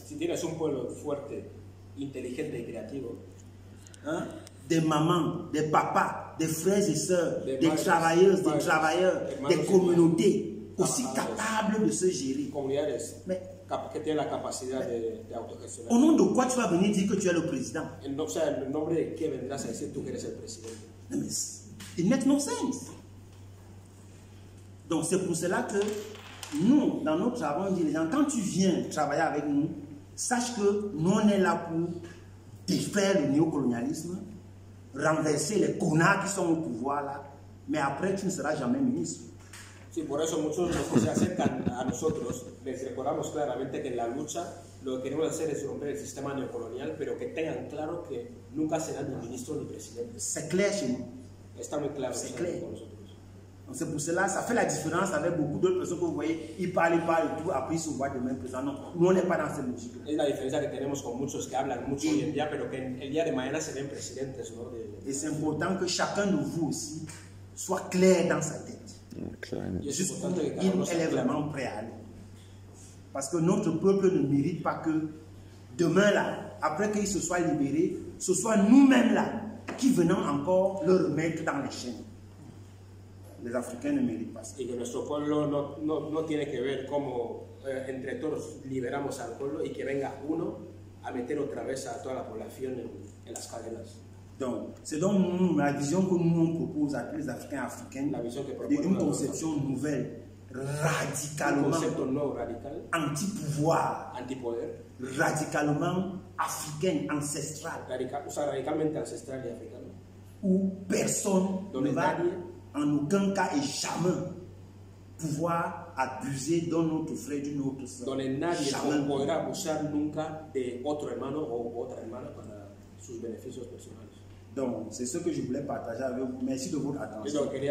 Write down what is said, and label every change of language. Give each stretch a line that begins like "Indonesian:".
Spanish: si tienes un pueblo fuerte, inteligente y creativo, hein?
French: Des mamans, des papas, des frères et sœurs, des travailleuses, des travailleurs, des communautés aussi capables de se gérer. Mais qui ont la capacité de autogestionner. Au nom de quoi tu vas venir dire que tu es le président? Donc ça, le nom de qui viendra ça, c'est tu qui es le président.
English: Mais it makes no sense.
French: Donc c'est pour cela que nous, dans notre travail, on dit les gens, quand tu viens travailler avec nous, sache que nous on est là pour défaire le néocolonialisme, renverser les connards qui sont au pouvoir là, mais après tu ne seras jamais ministre.
Spanish: Sí, por eso muchos de los que se acercan a nosotros les recordamos claramente que en la lucha lo que queremos hacer es romper el sistema neocolonial, pero que tengan claro que nunca serán ni ministro ni presidente.
French: C'est clair chez nous.
Spanish: Está muy claro.
French: C'est clair. Donc c'est pour cela, ça fait la différence avec beaucoup d'autres personnes que vous voyez, ils parlent et tout, après ils se voient demain présent. Non, nous on n'est pas dans cette logique.
Spanish: Es la diferencia que tenemos con muchos que hablan mucho hoy en día, pero que el día de mañana serán presidentes, ¿no?
French: Et c'est important que chacun de vous aussi soit clair dans sa tête. Clairement. Juste qu'il est vraiment prêt à aller. Parce que notre peuple ne mérite pas que demain là, après qu'il se soit libéré, ce soit nous-mêmes là qui venons encore le remettre dans les chaînes. Les Africains ne méritent pas.
Spanish: Y que nuestro pueblo no tiene que ver cómo entre todos liberamos al pueblo y que venga uno a meter otra vez a toda la población en las cadenas.
French: Donc, c'est donc la vision que nous on propose à tous les Africains africains, la vision que propose d'une conception nouvelle, radicalement anti-pouvoir,
Spanish: anti-poder,
French: radicalement africaine, ancestrale, radicalement ancestrale et africaine, où personne ne va en aucun cas et jamais pouvoir abuser d'un autre frère, d'une autre sœur.
Spanish: Donde nadie jamais podrá abusar nunca de otro hermano o otra hermana para sus beneficios personales.
French: Donc, c'est ce que je voulais partager avec vous. Merci de votre attention.